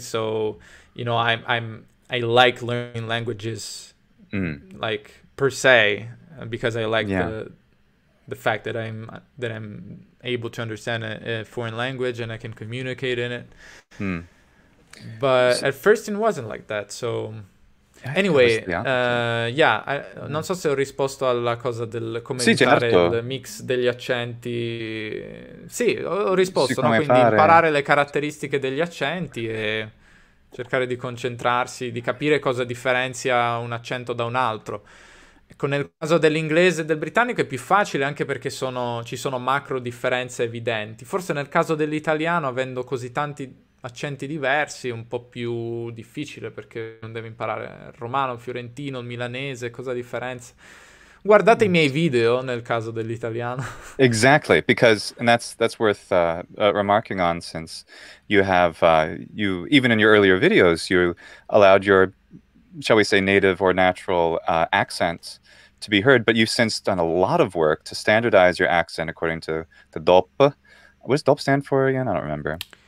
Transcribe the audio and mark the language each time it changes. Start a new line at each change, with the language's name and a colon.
English: So, you know, I like learning languages, like, per se, because I like the fact that I'm able to understand a foreign language and I can communicate in it. But at first it wasn't like that. So anyway,
Italian: non so se ho risposto alla cosa del come Certo. Il mix degli accenti. Sì, ho risposto, no? Quindi imparare le caratteristiche degli accenti e cercare di concentrarsi, di capire cosa differenzia un accento da un altro. Ecco, nel caso dell'inglese e del britannico è più facile anche perché ci sono macro differenze evidenti. Forse nel caso dell'italiano, avendo così tanti accenti diversi, è un po' più difficile perché non devi imparare il romano, il fiorentino, il milanese, cosa differenza. Guardate i miei video nel caso dell'italiano.
English: Exactly, because and that's worth remarking on, since you have you even in your earlier videos you allowed your, shall we say, native or natural accent to be heard, but you've since done a lot of work to standardize your accent according to the DOP. What does DOP stand for again? I don't remember.